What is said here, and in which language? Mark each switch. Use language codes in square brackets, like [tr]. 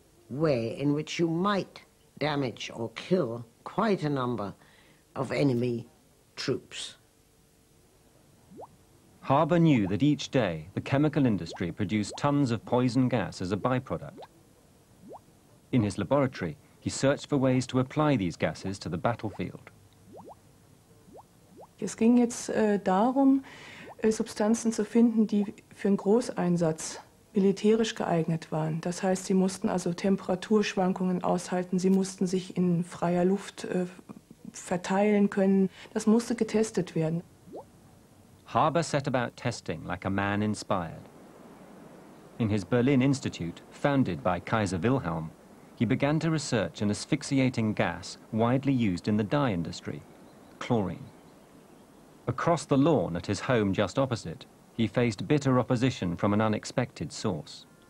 [en] way in which you might damage or kill quite a number of enemy troops. Harbour knew that each day the chemical industry produced tons of poison gas as a byproduct. In his laboratory, he searched for ways to apply these gases to the battlefield. [de] Es ging jetzt darum, Substanzen zu finden, die für einen Großeinsatz militärisch geeignet waren. Das heißt, sie mussten also Temperaturschwankungen aushalten, sie mussten sich in freier Luft verteilen können. Das musste getestet werden. [en] Harber set about testing like a man inspired. In his Berlin Institute, founded by Kaiser Wilhelm, he began to research an asphyxiating gas widely used in the dye industry, chlorine. Across the lawn at his home just opposite, he faced bitter opposition from an unexpected source.